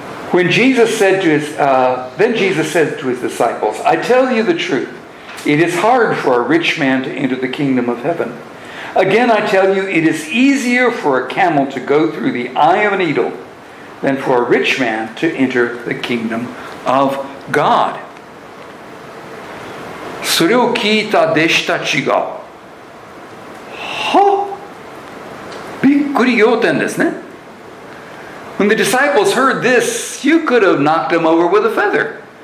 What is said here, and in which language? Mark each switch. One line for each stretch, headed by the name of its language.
English: When Jesus said to his, Then Jesus said to his disciples, I tell you the truthIt is hard for a rich man to enter the kingdom of heaven. Again, I tell you, it is easier for a camel to go through the eye of a needle than for a rich man to enter the kingdom of God.
Japanese: それを聞いた弟子たちが、は？びっくり仰天ですね。
English: When the disciples heard this, you could have knocked them over with a feather.